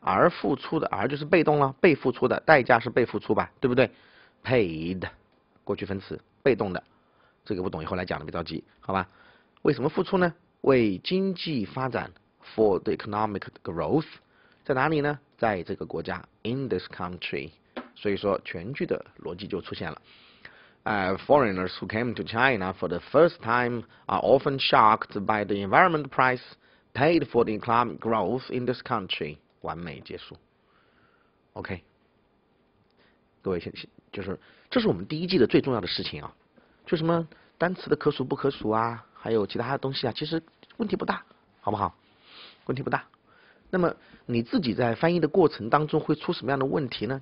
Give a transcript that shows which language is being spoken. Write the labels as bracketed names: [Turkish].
[Chinese] 而付出的，而就是被动了，被付出的，代价是被付出吧，对不对？paid，过去分词。被动的，这个不懂，以后来讲的，别着急，好吧？为什么付出呢？为经济发展， [English] for the economic growth， [Chinese] 在哪里呢？在这个国家， [English] in this country。 [Chinese] 所以说，全句的逻辑就出现了。 [English] Foreigners who came to China for the first time are often shocked by the environment price paid for the economic growth in this country。 [Chinese] 完美结束。 OK，各位先，就是这是我们第一季的最重要的事情啊。就什么单词的可数不可数啊，还有其他的东西啊，其实问题不大，好不好？问题不大。那么你自己在翻译的过程当中会出什么样的问题呢？